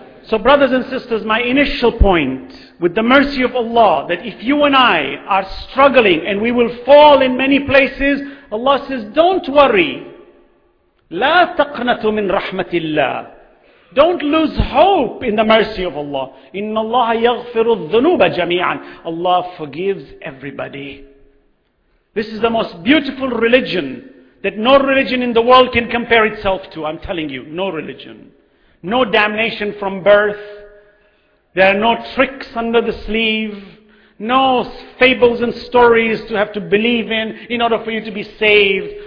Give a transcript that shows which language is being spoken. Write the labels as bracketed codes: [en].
[en] So brothers and sisters, my initial point, with the mercy of Allah, that if you and I are struggling and we will fall in many places, Allah says, don't worry. [ar] لا تقنطوا من رحمة الله. [en] Don't lose hope in the mercy of Allah. [ar] إن الله يغفر الذنوب جميعا. [en] Allah forgives everybody. This is the most beautiful religion that no religion in the world can compare itself to. I'm telling you, no religion. No damnation from birth. There are no tricks under the sleeve. No fables and stories to have to believe in order for you to be saved.